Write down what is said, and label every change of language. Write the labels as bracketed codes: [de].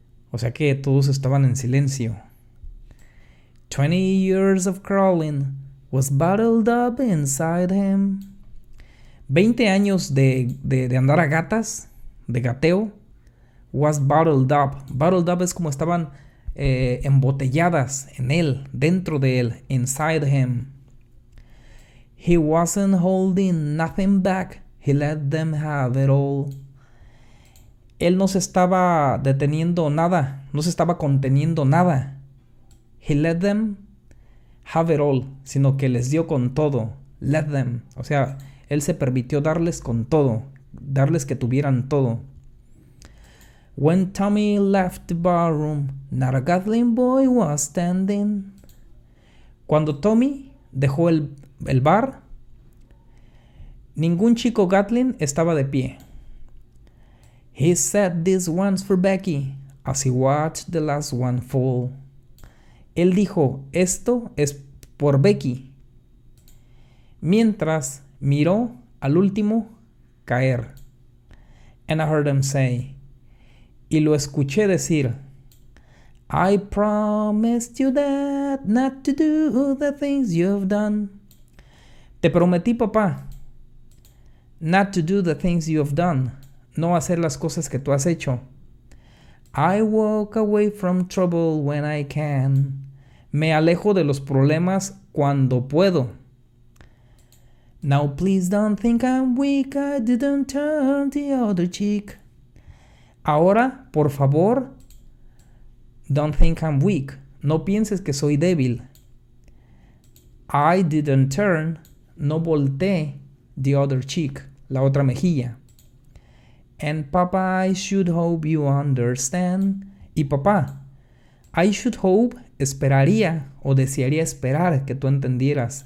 [es] O sea que todos estaban en silencio. [en] 20 years of crawling was bottled up inside him. [es] 20 años de andar a gatas, de gateo, [en] was bottled up. Bottled up [es] es como estaban embotelladas en él, dentro de él, [en] inside him. He wasn't holding nothing back. He let them have it all. [es] Él no se estaba deteniendo nada, no se estaba conteniendo nada. [en] He let them have it all, [es] sino que les dio con todo. [en] Let them. [es] O sea, él se permitió darles con todo. darles que tuvieran todo. [en] When Tommy left the barroom, not a Gatling boy was standing. [es] Cuando Tommy dejó el bar, ningún chico Gatling estaba de pie. [en] He said this one's for Becky, as he watched the last one fall. [es] Él dijo, esto es por Becky, mientras miró al último caer. [en] And I heard him say, [es] y lo escuché decir, [en] I promised you that not to do the things you've done. [es] Te prometí, papá, [en] not to do the things you've done. [es] No hacer las cosas que tú has hecho. [en] I walk away from trouble when I can. [es] Me alejo de los problemas cuando puedo. [en] Now please don't think I'm weak, I didn't turn the other cheek. [es] Ahora, por favor, [en] don't think I'm weak. [es] No pienses que soy débil. I didn't turn, no volteé the other cheek, la otra mejilla. [en] And papa, I should hope you understand. [es] Y papá, [en] I should hope, [es] esperaría o desearía esperar que tú entendieras.